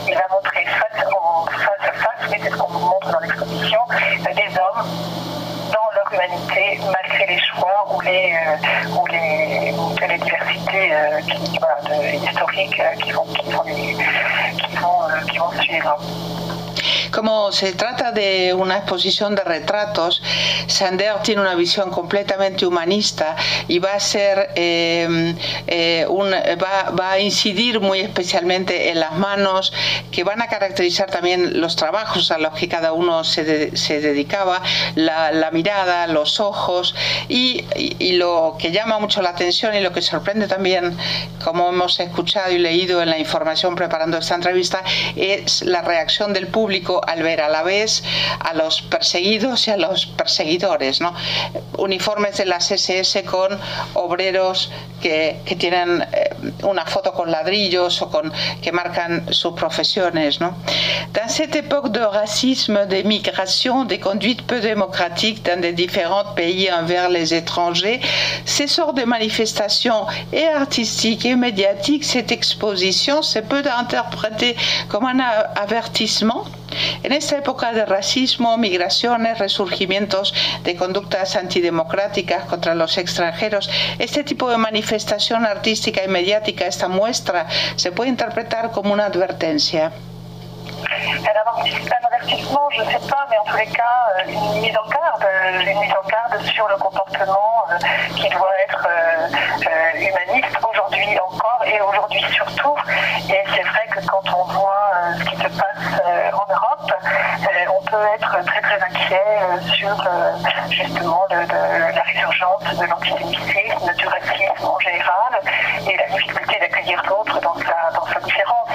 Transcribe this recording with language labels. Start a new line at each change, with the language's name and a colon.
French: Il va montrer face à face, mais c'est ce qu'on vous montre dans l'exposition, des hommes dans leur humanité, malgré les choix ou les diversités historiques qui vont suivre.
Spanish: Como se trata de una exposición de retratos, Strindberg tiene una visión completamente humanista y va a incidir muy especialmente en las manos, que van a caracterizar también los trabajos a los que cada uno se dedicaba, la mirada, los ojos, y lo que llama mucho la atención y lo que sorprende también, como hemos escuchado y leído en la información preparando esta entrevista, es la reacción del público al ver a la vez a los perseguidos y a los perseguidores, ¿no? Uniformes de las SS con obreros que tienen una foto con ladrillos o con que marcan sus profesiones, ¿no?
French: Dans cette époque de racisme, de migration, de conduite peu démocratique dans des différents pays envers les étrangers, ces sortes de manifestations et artistiques et médiatiques, cette exposition, se peut interpréter comme un avertissement.
Spanish: En esta época de racismo, migraciones, resurgimientos de conductas antidemocráticas contra los extranjeros, este tipo de manifestación artística y mediática, esta muestra, se puede interpretar como una advertencia.
French: Un avertissement, je ne sais pas, mais en tous les cas, une mise en garde sur le comportement qui doit être humaniste aujourd'hui encore et aujourd'hui surtout. Et c'est vrai que quand on voit ce qui se passe en Europe, on peut être très très inquiet sur justement la résurgence de l'antisémitisme, du racisme en général et la difficulté d'accueillir l'autre dans sa différence.